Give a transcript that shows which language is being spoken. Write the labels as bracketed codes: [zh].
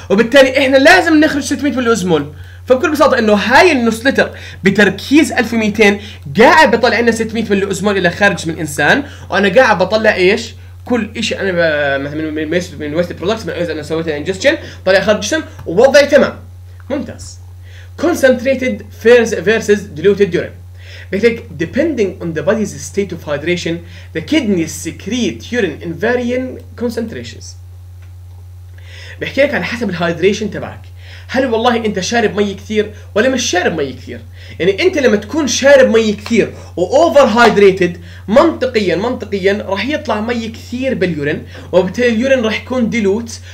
[ar] وبالتالي احنا لازم نخرج 600 ملي أزمول. فبكل بساطة انه هاي النص لتر بتركيز 1200 قاعد بطلع لنا 600 ملي أزمول الى خارج من الانسان، وانا قاعد بطلع ايش؟ كل اشي انا مثلا من ويست برودكتس، من اذا انا سويت انجستشن طلع خارج الجسم ووضعي، تمام ممتاز. [en] concentrated faeces diluted urine, [ar] بيقولك [en] depending on the body's state of hydration the kidneys secrete urine in varying concentrations. [ar] بيحكي لك على حسب الهايدريشن تبعك، هل والله انت شارب مي كثير ولا مش شارب مي كثير. يعني انت لما تكون شارب مي كثير واوفر هايدريتد، منطقيا راح يطلع مي كثير باليورين، وبالتالي اليورين راح يكون ديلوت.